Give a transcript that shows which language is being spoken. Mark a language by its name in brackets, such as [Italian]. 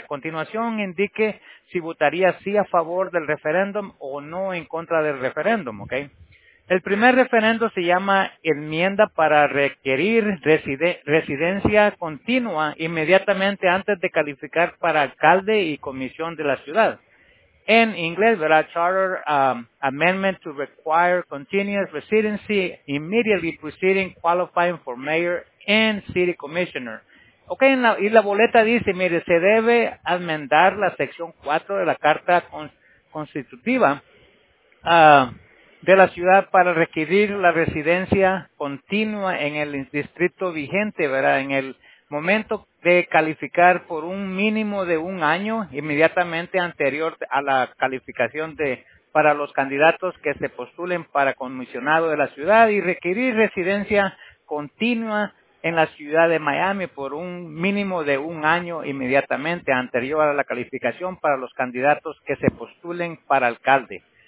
[Spanish] A continuación, indique si votaría sí a favor del referéndum o no en contra del referéndum, ¿ok? El primer referendo se llama enmienda para requerir residencia continua inmediatamente antes de calificar para alcalde y comisión de la ciudad. En inglés, ¿verdad? [English] Charter amendment to require continuous residency immediately preceding qualifying for mayor and city commissioner. [Spanish] Okay, y la boleta dice, mire, se debe enmendar la sección 4 de la carta constitutiva de la ciudad para requerir la residencia continua en el distrito vigente, ¿verdad? En el momento de calificar por un mínimo de un año inmediatamente anterior a la calificación para los candidatos que se postulen para comisionado de la ciudad, y requerir residencia continua en la ciudad de Miami por un mínimo de un año inmediatamente anterior a la calificación para los candidatos que se postulen para alcalde.